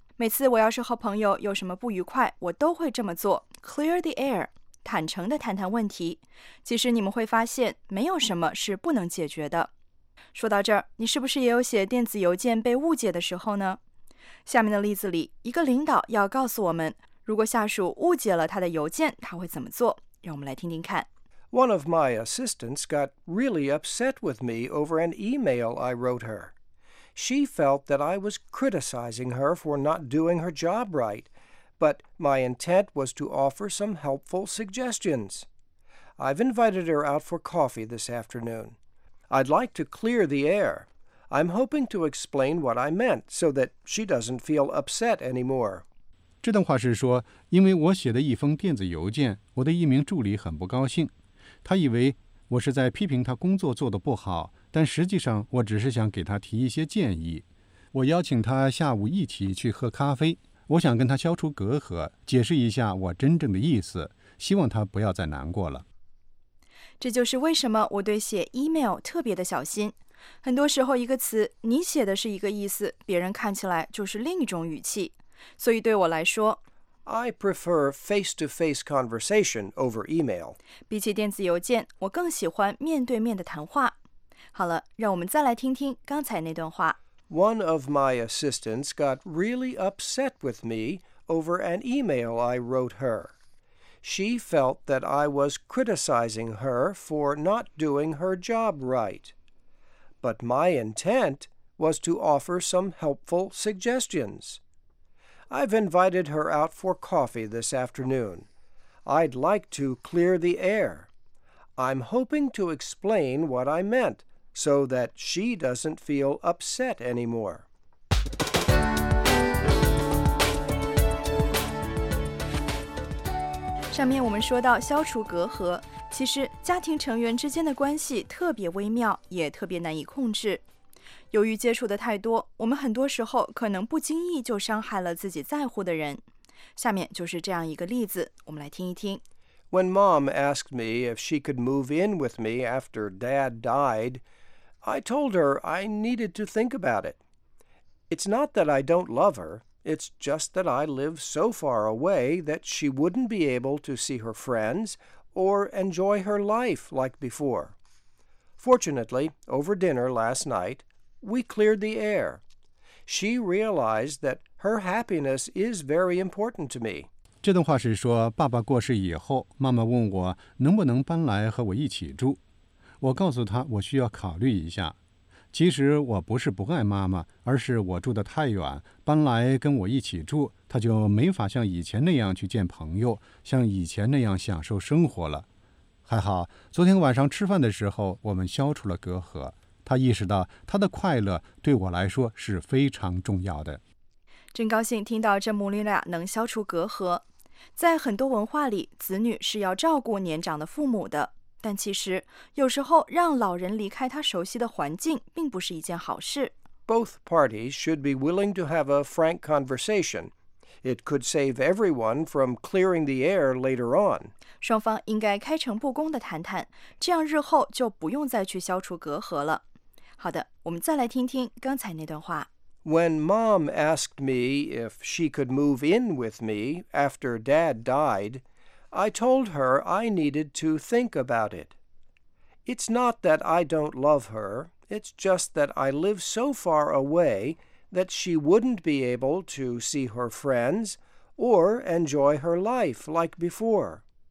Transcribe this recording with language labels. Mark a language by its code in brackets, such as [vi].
[zh] 每次我要是和朋友有什么不愉快，我都会这么做 , [en] clear the air, [zh] 坦诚地谈谈问题。其实你们会发现没有什么是不能解决的。说到这儿，你是不是也有写电子邮件被误解的时候呢？下面的例子里，一个领导要告诉我们，如果下属误解了他的邮件，他会怎么做？让我们来听听看。 [en] One of my assistants got really upset with me over an email I wrote her. She felt that I was criticizing her for not doing her job right, but my intent was to offer some helpful suggestions. I've invited her out for coffee this afternoon. I'd like to clear the air. I'm hoping to explain what I meant so that she doesn't feel upset anymore. [zh] 这段话是说，因为我写的一封电子邮件，我的一名助理很不高兴，他以为我是在批评他工作做得不好。但实际上我只是想给他提一些建议。我邀请他下午一起去喝咖啡，我想跟他消除隔阂，解释一下我真正的意思，希望他不要再难过了。这就是为什么我对写 email 特别的小心。很多时候一个词你写的是一个意思，别人看起来就是另一种语气。所以对我来说 [en] I prefer face-to-face conversation over email. [zh] 比起电子邮件，我更喜欢面对面的谈话。好了，让我们再来听听刚才那段话。 [en] One of my assistants got really upset with me over an email I wrote her. She felt that I was criticizing her for not doing her job right. But my intent was to offer some helpful suggestions. I've invited her out for coffee this afternoon. I'd like to clear the air. I'm hoping to explain what I meant. So that she doesn't feel upset anymore. [zh] 上面我们说到消除隔阂，其实家庭成员之间的关系特别微妙，也特别难以控制。由于接触的太多，我们很多时候可能不经意就伤害了自己在乎的人。下面就是这样一个例子，我们来听一听。 [en] When mom asked me if she could move in with me after dad died,I told her I needed to think about it. It's not that I don't love her. It's just that I live so far away that she wouldn't be able to see her friends or enjoy her life like before. Fortunately, over dinner last night, we cleared the air. She realized that her happiness is very important to me. [zh] 这段话是说，爸爸过世以后，妈妈问我能不能搬来和我一起住。我告诉他我需要考虑一下。其实我不是不爱妈妈，而是我住得太远，搬来跟我一起住，他就没法像以前那样去见朋友，像以前那样享受生活了。还好，昨天晚上吃饭的时候，我们消除了隔阂，他意识到他的快乐对我来说是非常重要的。真高兴听到这母女俩能消除隔阂。在很多文化里，子女是要照顾年长的父母的。但其实，有时候让老人离开他熟悉的环境并不是一件好事。 [en] Both parties should be willing to have a frank conversation. It could save everyone from clearing the air later on. [zh] 双方应该开诚布公地谈谈，这样日后就不用再去消除隔阂了。好的，我们再来听听刚才那段话。 [en] When mom asked me if she could move in with me after dad died,I told her I needed to think about it. It's not that I don't love her. It's just that I live so far away that she wouldn't be able to see her friends or enjoy her life like before.